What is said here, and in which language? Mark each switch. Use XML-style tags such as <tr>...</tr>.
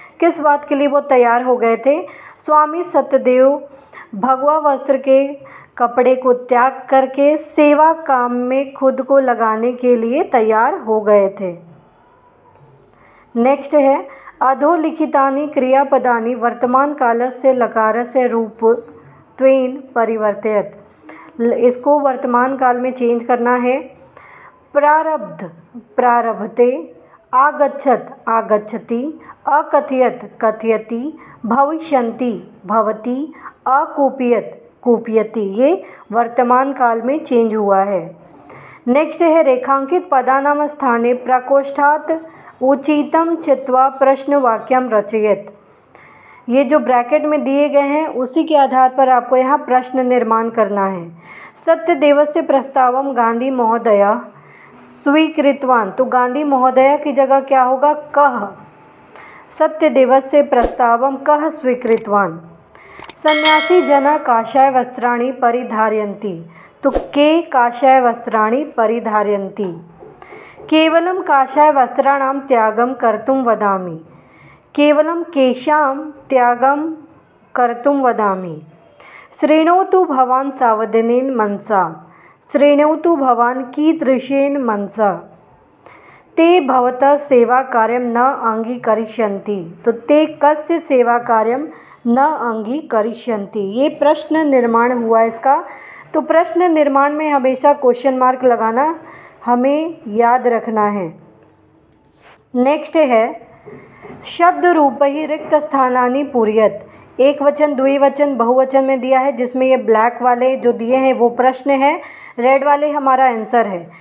<hi>किस बात के लिए वो तैयार हो गए थे? स्वामी सत्यदेव भगवा वस्त्र के कपड़े को त्याग करके सेवा काम में खुद को लगाने के लिए तैयार हो गए थे। नेक्स्ट है</hi> <sa>अधोलिखितानि क्रियापदानि वर्तमान कालस्य लकारस्य रूपत्वेन परिवर्तयत।</sa> <hi>इसको वर्तमान काल में चेंज करना है।</hi> <sa>प्रारब्ध प्रारभते, आगच्छत आगच्छति, अकथयत कथयति, भविष्यन्ति भवति, अकूपियत कूपयति।</sa> <hi>ये वर्तमान काल में चेंज हुआ है। नेक्स्ट है</hi> <sa>रेखांकित पदानाम स्थाने प्रकोष्ठात उचितम चित्वा प्रश्नवाक्यम रचयेत।</sa> <hi>ये जो ब्रैकेट में दिए गए हैं उसी के आधार पर आपको यहाँ प्रश्न निर्माण करना है।</hi> <sa>सत्यदेवस्य प्रस्तावम गांधी महोदया स्वीकृतवान,</sa> <hi>तो गांधी महोदया की जगह क्या होगा, कह।</hi> <sa>सत्यदेवस्य प्रस्तावम कह स्वीकृतवान। सन्यासी जना काषाय वस्त्राणि परिधारयन्ति, तो के काषाय वस्त्राणि परिधारयन्ति। केवलम काषाय वस्त्राणाम त्यागम कर्तुम वदामि, केवलम केशाम त्यागम कर्तुम वदामि। श्रेणोतु भवान सावधानेन मनसा, श्रेणोतु भवान कीदृशेन मनसा। ते भवतः सेवा कार्यम न अंगीकरिष्यन्ति, तो ते कस्य सेवा कार्यम न अंगीकरिष्यन्ति।</sa> <hi>ये प्रश्न निर्माण हुआ इसका। तो प्रश्न निर्माण में हमेशा क्वेश्चन मार्क लगाना हमें याद रखना है। नेक्स्ट है</hi> <sa>शब्द रूप ही रिक्त स्थानानी पूर्यत।</sa> <hi>एक वचन द्विवचन बहुवचन में दिया है, जिसमें ये ब्लैक वाले जो दिए हैं वो प्रश्न है, रेड वाले हमारा आंसर है।</hi>